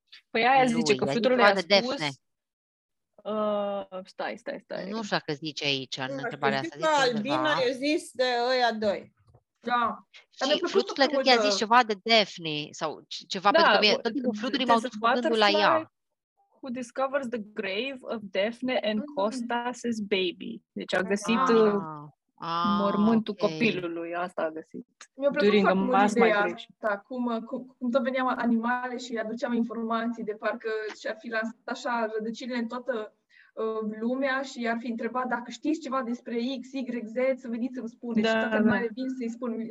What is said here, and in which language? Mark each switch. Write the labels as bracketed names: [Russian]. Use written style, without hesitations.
[Romanian] Păi aia lui, zice că fluturile i-a spus, Stai. Nu știu că zici nici aici, în întrebarea asta. Zici Albina, eu zis de ăia doi. Da. Și fluturile, cred că i-a zis ceva de Daphne sau ceva, da, pentru că mie, tot timpul fluturii m-au dus cu gândul la ea. [English] Who discovers the grave of Daphne and Costas's baby. [Romanian] Deci a găsit mormântul copilului, asta a găsit. Mi-a plăcut foarte mult ideea asta, cum tot veneam animale și aduceam informații de parcă și-ar fi lansat așa rădăcinile în toată lumea și ar fi întrebat dacă știți ceva despre X, Y, Z, să veniți să-mi spuneți, da, și toată lumea vin să-i spun.